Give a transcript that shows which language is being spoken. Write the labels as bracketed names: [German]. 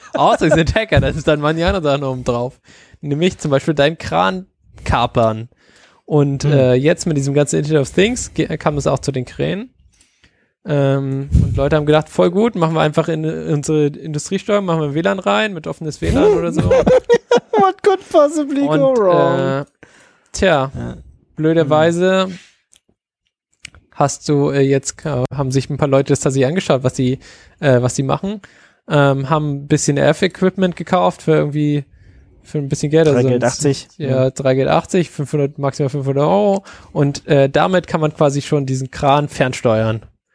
[German] Außer sie sind Hacker, das ist dann mal die andere Sache oben drauf. Nämlich zum Beispiel deinen Kran kapern. Und jetzt mit diesem ganzen Internet of Things kam es auch zu den Kränen. Und Leute haben gedacht, voll gut, machen wir einfach in unsere Industriesteuer, machen wir WLAN rein mit offenes WLAN oder so. [English] What could possibly go wrong? [German] Blöderweise haben sich ein paar Leute das tatsächlich angeschaut, was sie machen. Haben ein bisschen Earth-Equipment gekauft für ein bisschen Geld. 3 Geld 80. Ja, 3 Geld 80, maximal 500 €. Und damit kann man quasi schon diesen Kran fernsteuern.